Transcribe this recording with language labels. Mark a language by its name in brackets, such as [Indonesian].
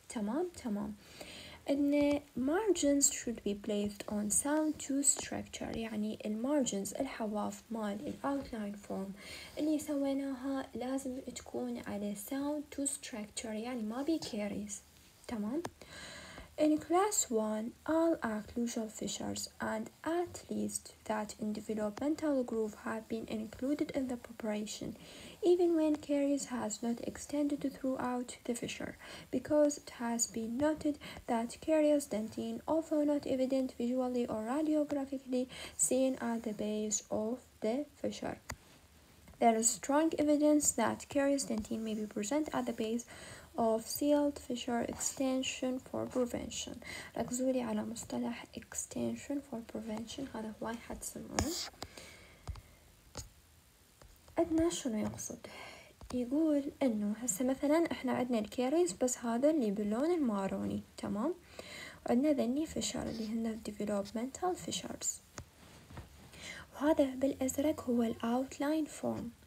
[Arabic] تمام, ان [English] margins should be placed on sound tooth structure. [Arabic] يعني المارجنز الحواف مال الاوتلاين فورم اللي سويناها لازم تكون على sound tooth structure, يعني ما بي كاريز. تمام, [English] in class 1 all occlusal fissures and at least that in developmental groove have been included in the preparation even when caries has not extended throughout the fissure because it has been noted that carious dentin although not evident visually or radiographically seen at the base of the fissure there is strong evidence that carious dentin may be present at the base of sealed fissure extension for prevention. [Arabic] ركزوا لي على مصطلح [English] extension for prevention, [Arabic] هذا هو حتسمعوه. عندنا شنو يقصد؟ يقول انه هسه مثلا احنا عندنا الكاريز بس هذا اللي باللون الماروني. تمام, وعندنا ذني فشار اللي هن developmental fissures وهذا بالازرق هو outline form.